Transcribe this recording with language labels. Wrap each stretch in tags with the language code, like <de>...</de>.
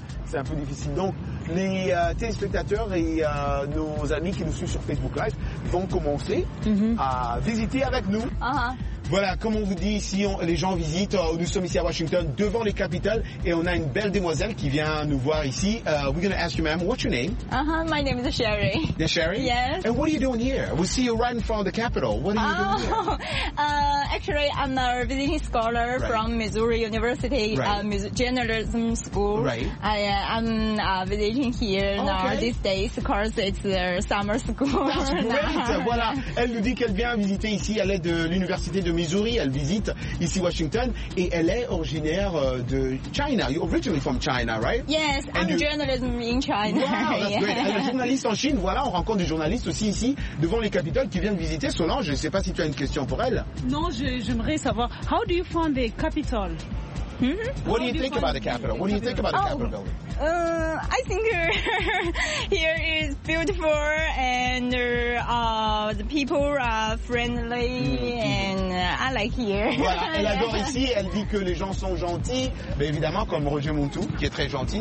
<fr>C'est un peu difficile. Donc, les téléspectateurs et nos amis qui nous suivent sur Facebook Live vont commencer à visiter avec nous. Voilà, comme on vous dit ici, les gens visitent. Nous sommes ici à Washington, devant les capitales, et on a une belle demoiselle qui vient nous voir ici.</fr> <en>We're gonna ask you, ma'am, what's your name? My name is Sherry. The Sherry? Yes. And what are you doing here? We see you right in front of the Capitol. What are you doing here? Actually, I'm a visiting scholar from Missouri University, journalism school. Right. I'm visiting here now these days because it's their summer school. That's great. Voilà.</en> <fr>Elle nous dit qu'elle vient visiter ici à l'aide de l'université de Missouri, elle visite ici Washington et elle est originaire de China.</fr> <en>You're originally from China, right? Yes, I'm a journalism in China. Wow, that's great.</en> <fr>Elle est journaliste en Chine. Voilà, on rencontre des journalistes aussi ici devant les capitales qui viennent visiter. Solange, je ne sais pas si tu as une question pour elle. Non, j'aimerais savoir,</fr> <en>how do you find the Capitol? What do you think about the Capitol? What do you think about the Capitol building? I think here is beautiful and the people are friendly and I like here.</en> <fr>Voilà, elle adore ici. Elle dit que les gens sont gentils. Mais évidemment, comme Roger Muntu, qui est très gentil.</fr>